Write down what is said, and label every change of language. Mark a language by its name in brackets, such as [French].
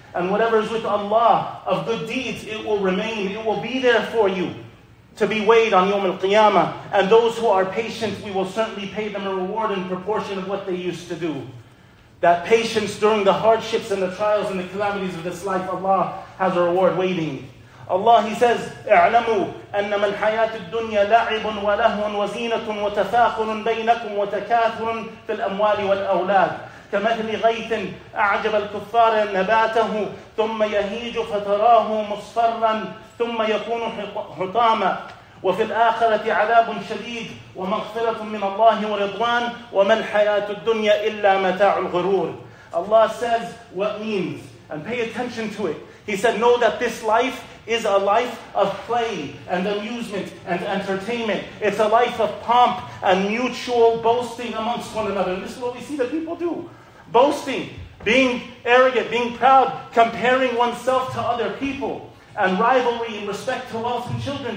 [English] And whatever is with Allah of good deeds, it will remain. It will be there for you to be weighed on Yawm al-Qiyamah. And those who are patient, we will certainly pay them a reward in proportion of what they used to do. That patience during the hardships and the trials and the calamities of this life, Allah has a reward waiting. Allah, He says, [Arabic] اعلموا أن من حياة الدنيا لعب ولهو وزينة وتفاخر بينكم وتكاثر في الأموال والأولاد. كمثل غيث أعجب الكفار نباته ثم يهيج فتراه مصفرا ثم يكون حطاما وفي الآخرة عذاب شديد ومغفرة من الله ورضوان وما الحياة الدنيا إلا متاع الغرور [English] Allah says what means and pay attention to it. He said know that this life is a life of play and amusement and entertainment. It's a life of pomp and mutual boasting amongst one another. And this is what we see that people do. Boasting, being arrogant, being proud, comparing oneself to other people, and rivalry in respect to wealth and children.